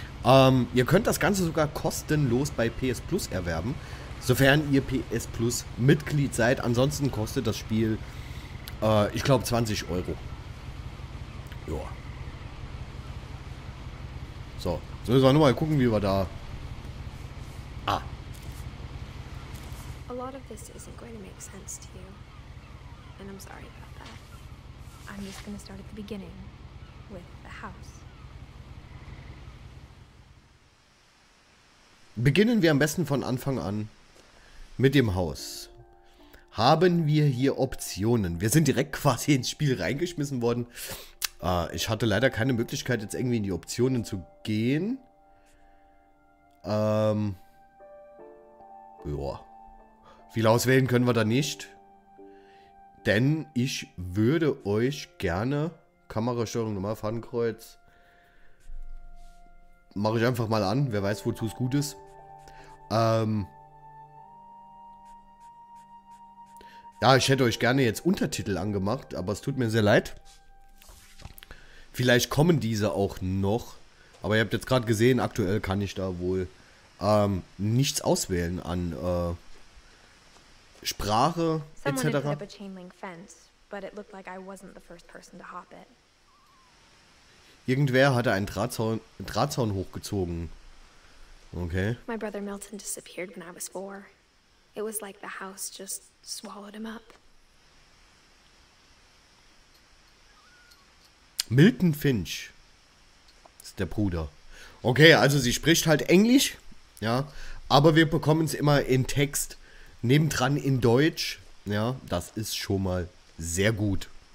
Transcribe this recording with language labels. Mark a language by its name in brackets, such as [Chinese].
[German] Ihr könnt das Ganze sogar kostenlos bei PS Plus erwerben, sofern ihr PS Plus Mitglied seid. Ansonsten kostet das Spiel, ich glaube, 20 Euro. Joa. So, jetzt müssen wir nur mal gucken, wie wir da... Ah. [English] A lot of this isn't going to make sense to you. And I'm sorry about that. I'm just going to start at the beginning with the house. [German] Beginnen wir am besten von Anfang an mit dem Haus. Haben wir hier Optionen? Wir sind direkt quasi ins Spiel reingeschmissen worden. Ich hatte leider keine Möglichkeit, jetzt irgendwie in die Optionen zu gehen. Viel auswählen können wir da nicht. Denn ich würde euch gerne... Kamerasteuerung nochmal, Fadenkreuz. Mache ich einfach mal an. Wer weiß, wozu es gut ist. Ja, ich hätte euch gerne jetzt Untertitel angemacht, aber es tut mir sehr leid. Vielleicht kommen diese auch noch. Aber ihr habt jetzt gerade gesehen, aktuell kann ich da wohl nichts auswählen an Sprache etc. [English] Someone had put up a chain link fence, but it looked like I wasn't the first person to hop it. [German] Irgendwer hatte einen Drahtzaun hochgezogen. Okay. [English] My brother Milton disappeared when I was 4. It was like the house just swallowed him up. [German] Milton Finch ist der Bruder. Okay, also sie spricht halt Englisch, ja, aber wir bekommen es immer in Text nebendran in Deutsch, ja, das ist schon mal sehr gut.